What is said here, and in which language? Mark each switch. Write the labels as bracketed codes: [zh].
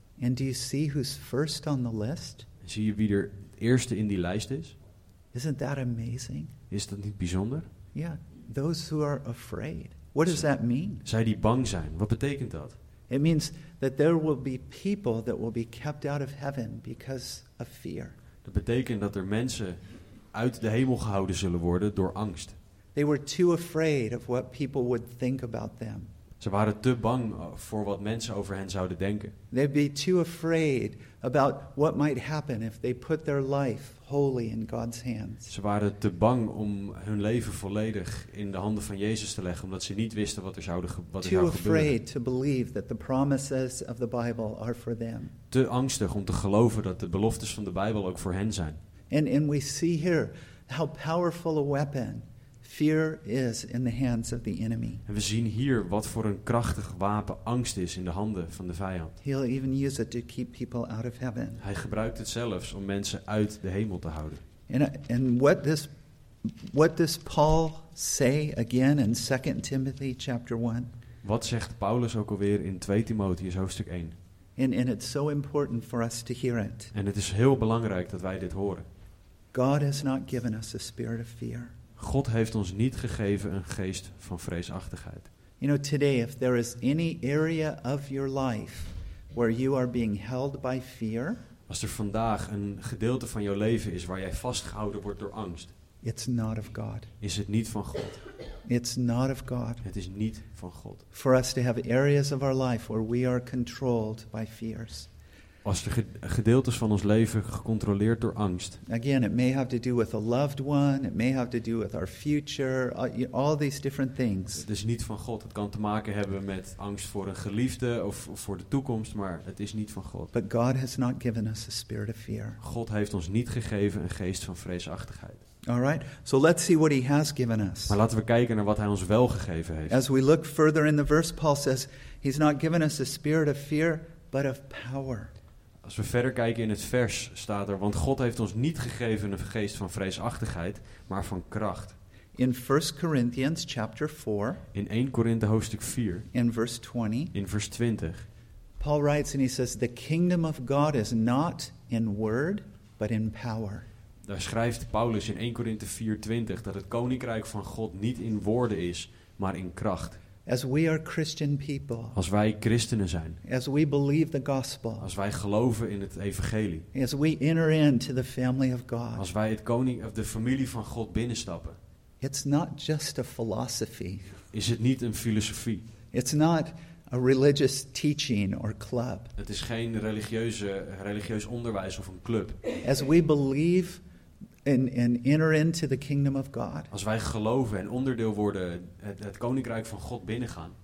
[en] And do you see who's first on the list? [nl] Zie je wie er het eerste in die lijst is? [en] Isn't that amazing? [nl] Is dat niet bijzonder? [en] Yeah, those who are afraid. What does that mean? [nl] Zij die bang zijn. Wat betekent dat? [en] It means that there will be people that will be kept out of heaven because of fear. [nl] Dat betekent dat er mensen uit de hemel gehouden zullen worden door angst. [en] They were too afraid of what people would think about them. [nl] Ze waren te bang voor wat mensen over hen zouden denken. [en] They'd be too afraid about what might happen if they put their life wholly in God's hands. [nl] Ze waren te bang om hun leven volledig in de handen van Jezus te leggen, omdat ze niet wisten wat er zou gebeuren. [en] Too afraid to believe that the promises of the Bible are for them. [nl] Te angstig om te geloven dat de beloftes van de Bijbel ook voor hen zijn. [en] And we see here how powerful a weapon fear is in the hands of the enemy. [nl] En we zien hier wat voor een krachtig wapen angst is in de handen van de vijand. [en] He'll even use it to keep people out of heaven. [nl] Hij gebruikt het zelfs om mensen uit de hemel te houden. [en] And what does Paul say again in 2 Timothy chapter 1? [nl] Wat zegt Paulus ook alweer in 2 Timotheus hoofdstuk 1? [en] And it's so important for us to hear it. [nl] En het is heel belangrijk dat wij dit horen. [en] God has not given us a spirit of fear. [nl] God heeft ons niet gegeven een geest van vreesachtigheid. [en] You know, today if there is any area of your life where you are being held by fear, [nl] als er vandaag een gedeelte van jouw leven is waar jij vastgehouden wordt door angst, [en] it's not of God. [nl] Is het niet van God? [en] It's not of God. [nl] Het is niet van God. [en] For us to have areas of our life where we are controlled by fears. [nl] Als er gedeeltes van ons leven gecontroleerd door angst. [en] Again, it may have to do with a loved one. It may have to do with our future. All these different things. [nl] Het is niet van God. Het kan te maken hebben met angst voor een geliefde of voor de toekomst, maar het is niet van God. [en] But God has not given us a spirit of fear. [nl] God heeft ons niet gegeven een geest van vreesachtigheid. [en] All right. So let's see what he has given us. [nl] Maar laten we kijken naar wat hij ons wel gegeven heeft. [en] As we look further in the verse, Paul says, he's not given us a spirit of fear, but of power. [nl] Als we verder kijken in het vers staat er, want God heeft ons niet gegeven een geest van vreesachtigheid, maar van kracht. [en] In 1 Corinthians chapter 4. [nl] In 1 Korinthe hoofdstuk 4. [en] In verse 20. [nl] In vers 20. [en] Paul writes and he says, the kingdom of God is not in word, but in power. [nl] Daar schrijft Paulus in 1 Korinthe 4, 20, dat het koninkrijk van God niet in woorden is, maar in kracht. [en] As we are Christian people, [nl] als wij christenen zijn, [en] as we believe the gospel, [nl] als wij geloven in het evangelie, [en] as we enter into the family of God, [nl] als wij het koning of de familie van God binnenstappen, [en] it's not just a philosophy, [nl] is het niet een filosofie, [en] it's not a religious teaching or club, [nl] het is geen religieus onderwijs of een club, [en] as we believe and enter into the kingdom of God. [nl] Als wij geloven en onderdeel worden het koninkrijk van God binnengaan.